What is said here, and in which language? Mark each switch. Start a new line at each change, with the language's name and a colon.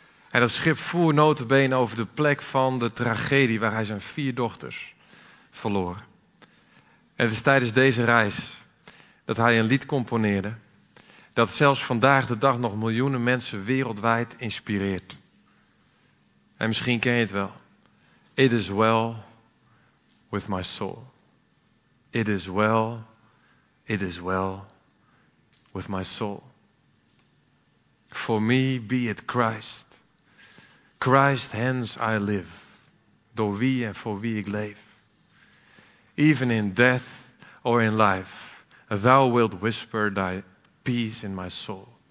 Dutch: En dat schip voer notabene over de plek van de tragedie waar hij zijn 4 dochters verloor. En het is tijdens deze reis dat hij een lied componeerde dat zelfs vandaag de dag nog miljoenen mensen wereldwijd inspireert. En misschien ken je het wel.
English: It is well with my soul. It is well, it is well with my soul. For me be it Christ. Christ hence I live.
Dutch: Door wie en voor wie ik leef.
English: Even in death or in life, thou wilt whisper thy peace in my soul.